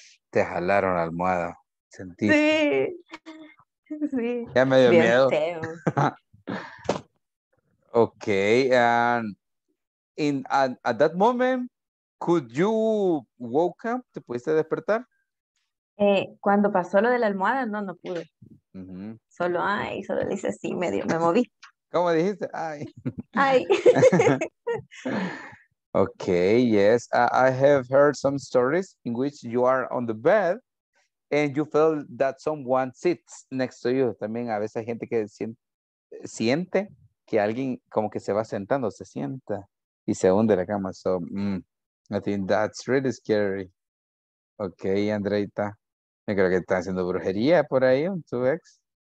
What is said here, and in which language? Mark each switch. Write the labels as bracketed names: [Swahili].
[Spanish] Te jalaron la almohada. Sentí. Sí. Ya me dio miedo. [English] Okay, and at that moment, could you woke up? [Spanish] ¿Te pudiste despertar? Cuando pasó lo de la almohada, no pude. Uh-huh. Solo le hice así, me moví. ¿Cómo dijiste? Ay. Ay. [English] Okay, yes. I have heard some stories in which you are on the bed and you feel that someone sits next to you. [Spanish] También a veces hay gente que siente que alguien como que se va sentando, se sienta y se hunde la cama. [English] So, I think that's really scary. Okay, Andreita. [Spanish] Yo creo que está haciendo brujería por ahí, un 2X.